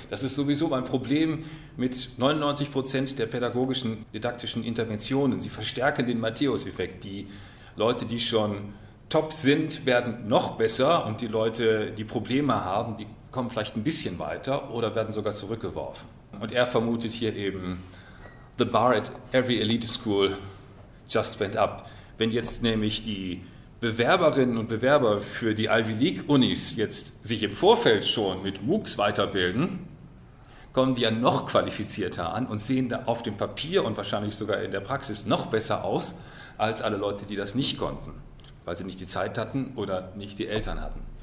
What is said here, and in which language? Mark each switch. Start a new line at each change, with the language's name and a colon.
German: Das ist sowieso ein Problem mit 99% der pädagogischen, didaktischen Interventionen. Sie verstärken den Matthäus-Effekt. Die Leute, die schon top sind, werden noch besser und die Leute, die Probleme haben, die kommen vielleicht ein bisschen weiter oder werden sogar zurückgeworfen. Und er vermutet hier eben,
English: the bar at every elite school just went up.
German: Wenn jetzt nämlich die Bewerberinnen und Bewerber für die Ivy League Unis jetzt sich im Vorfeld schon mit MOOCs weiterbilden, kommen die ja noch qualifizierter an und sehen da auf dem Papier und wahrscheinlich sogar in der Praxis noch besser aus als alle Leute, die das nicht konnten, weil sie nicht die Zeit hatten oder nicht die Eltern hatten.